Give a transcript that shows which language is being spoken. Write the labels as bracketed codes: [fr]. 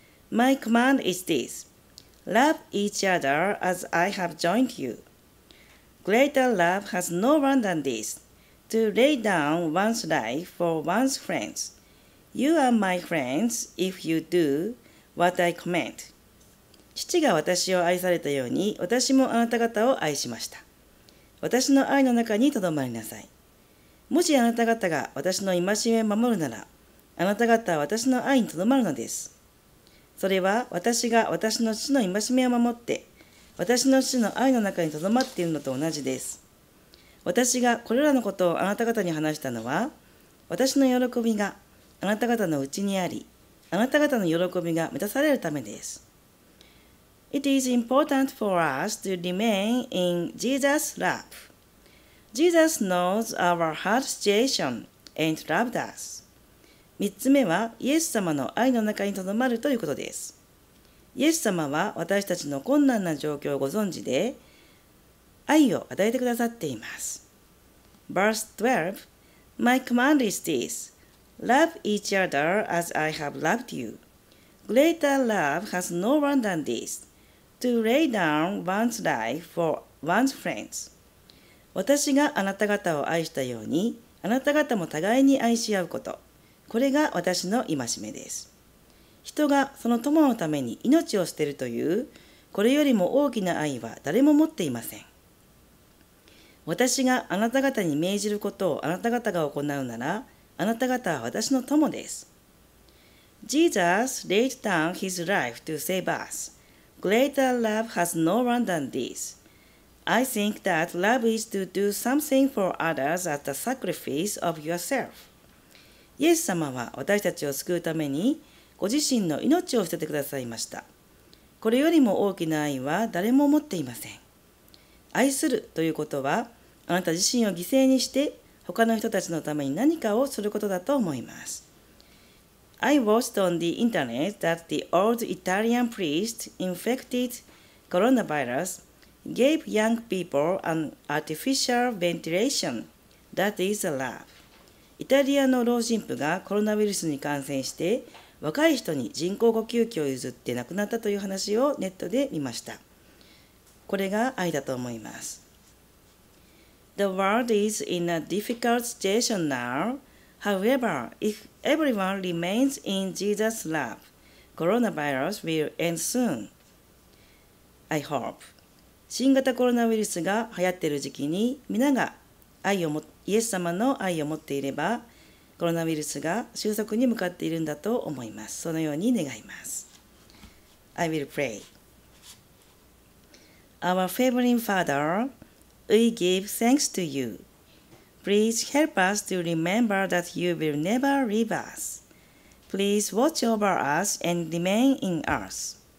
[en] My command is this. Love each other as I have joined you. Greater love has no one than this, to lay down one's life for one's friends. You are my friends if you do what I command. [ja] 父が私を愛されたように、私もあなた方を愛しました。私の愛の中にとどまりなさい。もしあなた方が私の戒めを守るなら、あなた方は私の愛にとどまるのです。それは私が私の父の戒めを守って、私の父の愛の中にとどまっているのと同じです。私がこれらのことをあなた方に話したのは、私の喜びがあなた方のうちにあり、あなた方の喜びが満たされるためです。 [en] It is important for us to remain in Jesus' love. Jesus knows our heart situation and loved us. [ja] 三つ目は、イエス様の愛の中にとどまるということです。イエス様は私たちの困難な状況をご存知で、愛を与えてくださっています。 [en] Verse 12. My command is this. Love each other as I have loved you. Greater love has no one than this, to lay down one's life for one's friends. [ja] 私があなた方を愛したように、あなた方も互いに愛し合うこと。これが私の戒めです。人がその友のために命を捨てるという、これよりも大きな愛は誰も持っていません。私があなた方に命じることをあなた方が行うなら、あなた方は私の友です。 [en] Jesus laid down his life to save us. Greater love has no one than this. I think that love is to do something for others at the sacrifice of yourself. [ja] イエス様は私たちを救うためにご自身の命を捨ててくださいました。これよりも大きな愛は誰も持っていません。愛するということは、あなた自身を犠牲にして他の人たちのために何かをすることだと思います。 [en] I watched on the internet that the old Italian priest infected coronavirus gave young people an artificial ventilation. That is love. [ja] イタリアの老人婦がコロナウイルスに感染して若い人に人工呼吸器を譲って亡くなったという話をネットで見ました。これが愛だと思います。 [en] The world is in a difficult situation now. However, if everyone remains in Jesus' love, coronavirus will end soon. I hope. [ja] 新型コロナウイルスが流行っている時期に皆が愛をもイエス様の愛を持っていれば、コロナウイルスが収束に向かっているんだと思います。そのように願います。 [en] I will pray. Our favorite Father,We give thanks to you. Please help us to remember that you will never leave us. Please watch over us and remain in us.